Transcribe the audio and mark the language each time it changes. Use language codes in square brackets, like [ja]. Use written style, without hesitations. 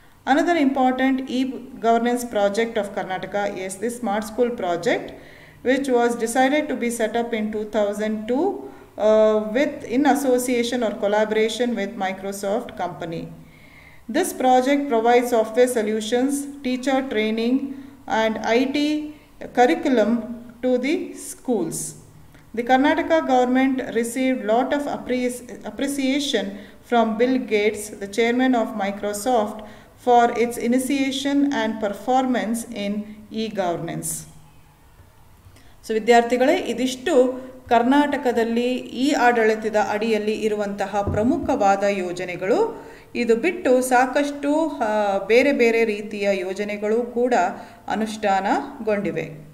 [en] Another important e governance project of Karnataka is the smart school project which was decided to be set up in 2002 with in association or collaboration with Microsoft company. This project provide software solutions, teacher training and IT curriculum to the schools. The Karnataka government received lot of appreciation from Bill Gates, the chairman of Microsoft, for its initiation and performance in e-governance. [kn] So vidyarthigale idishtu ಕರ್ನಾಟಕದಲ್ಲಿ ಈ ಆಡಳಿತದ ಅಡಿಯಲ್ಲಿ ಇರುವಂತಹ ಪ್ರಮುಖವಾದ ಯೋಜನೆಗಳು. ಇದು ಬಿಟ್ಟು ಸಾಕಷ್ಟು ಬೇರೆ ಬೇರೆ ರೀತಿಯ ಯೋಜನೆಗಳು ಕೂಡ ಅನುಷ್ಠಾನಗೊಂಡಿವೆ.